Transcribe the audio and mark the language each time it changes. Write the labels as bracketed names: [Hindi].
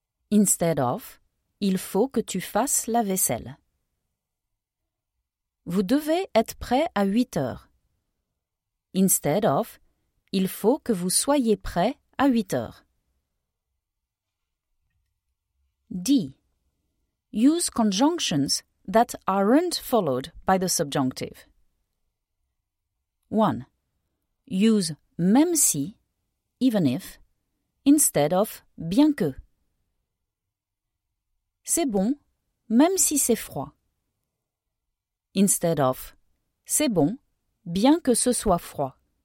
[English] Instead of, [French] il faut que tu fasses la vaisselle. Vous devez être prêt à 8 heures. [English] Instead of, [French] il faut que vous soyez prêt à 8 heures. [English] D. Use conjunctions that aren't followed by the subjunctive. 1. Use même si, even if, instead of bien que. [French] C'est bon, même si c'est froid. [English] Instead of, [French] c'est bon, bien que ce soit froid.